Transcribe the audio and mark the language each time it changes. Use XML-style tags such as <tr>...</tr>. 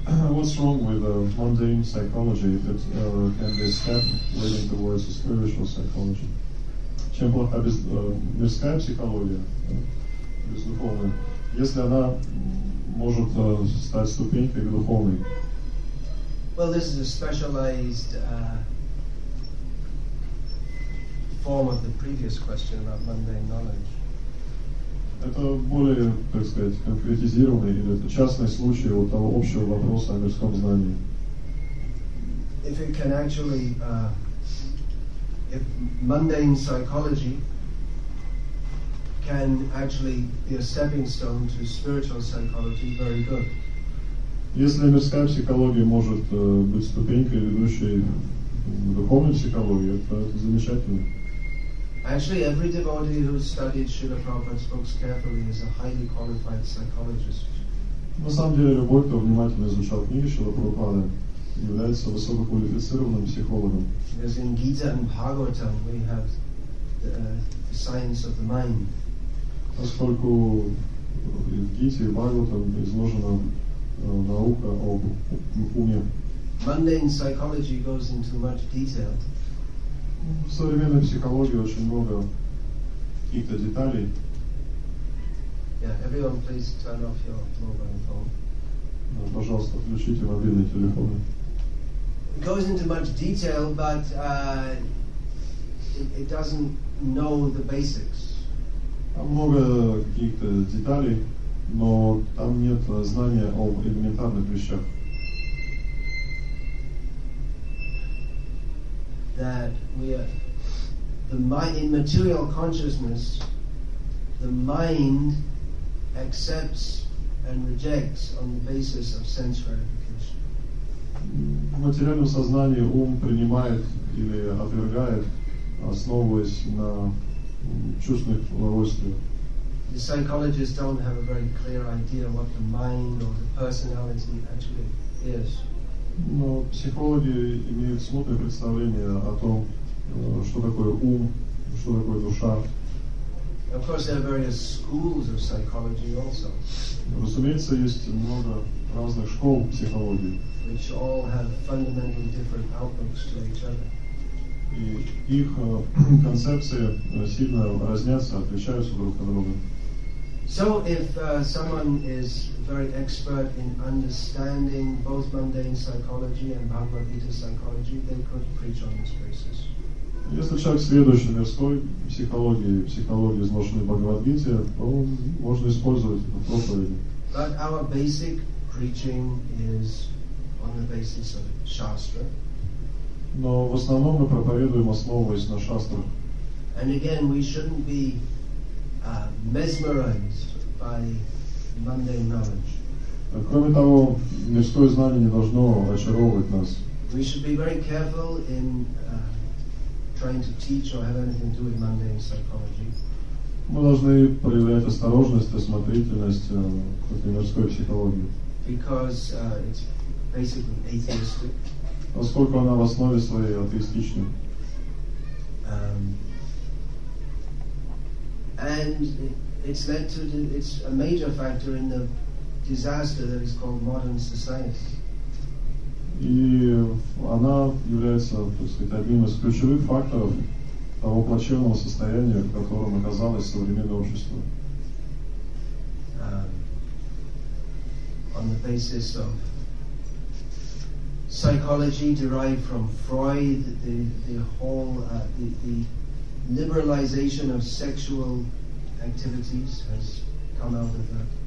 <en>What's wrong with a mundane psychology that can be a step leading towards a spiritual psychology?</en> <ru>Чем плоха мирская психология, бездуховная, если она может стать ступенькой к духовной?</ru> <en>Well, this is a specialized form of the previous question about mundane knowledge.</en> <ru>Это более, так сказать, конкретизированный или это частный случай вот того общего вопроса о мирском знании.</ru> <en>If it can actually, if mundane psychology can actually be a stepping stone to spiritual psychology, very good.</en> <ru>Если мирская психология может быть ступенькой, ведущей к духовной психологии, это замечательно.</ru> <en>Actually, every devotee who studied Srila Prabhupada's books carefully is a highly qualified psychologist.</en> <ru>На самом деле, любой, кто внимательно изучал книги Шрила Прабхупады, является высококвалифицированным психологом.</ru> <en>Because in Gita and Bhagavatam we have the science of the mind.</en> <ru>Поскольку в Гите и Бхагаватам изложена наука об уме.</ru> <en>Mundane psychology goes into much detail.</en> <ru>В современной психологии очень много каких-то деталей.</ru> <en>Yeah, everyone please turn off your mobile phone.</en> <ru>Пожалуйста, включите мобильные телефоны.</ru> <en>It goes into much detail, but it doesn't know the basics.</en> <ru>Там много каких-то деталей, но там нет знания об элементарных вещах.</ru> <en>That we are the mind in material consciousness, the mind accepts and rejects on the basis of sense gratification.</en> <ru>В материальном сознании ум принимает или отвергает, основываясь на чувственных удовольствиях.</ru> <en>The psychologists don't have a very clear idea what the mind or the personality actually is.</en> <ru>Но психологи имеют смутное представление о том, что такое ум, что такое душа.</ru> <en>Of course, there are various schools of psychology also.</en> <ru>Разумеется, есть много разных школ психологии.</ru> <en>Which all have fundamentally different outlooks to each other.</en> <ru>И их концепции сильно разнятся, отличаются друг от друга.</ru> <en>So if someone is very expert in understanding both mundane psychology and Bhagavad Gita psychology, they could preach on this basis.</en> <ru>Если человек сведущ в мирской психологии, психологии, изложенной в Бхагавад-гите, то можно использовать это в проповеди.</ru> <en>But our basic preaching is on the basis of Shastra.</en> <ru>Но в основном мы проповедуем, основываясь на шастрах.</ru> <en>And again, we shouldn't be mesmerized by mundane knowledge.</en> <ru>Кроме того, мирское знание не должно очаровывать нас.</ru> <en>We should be very careful in trying to teach or have anything to do with mundane psychology.</en> <ru>Мы должны проявлять осторожность, осмотрительность к мирской психологии.</ru> <en>Because it's basically atheistic.</en> <ru>Поскольку она в основе своей атеистична.</ru> <en>And it's led to it's a major factor in the disaster that is called modern society.</en> <ru>И она является, так сказать, одним из ключевых факторов того плачевного состояния, в котором оказалось современное общество.</ru> <en>On the basis of psychology derived from Freud, the liberalization of sexual activities has come out of that.</en>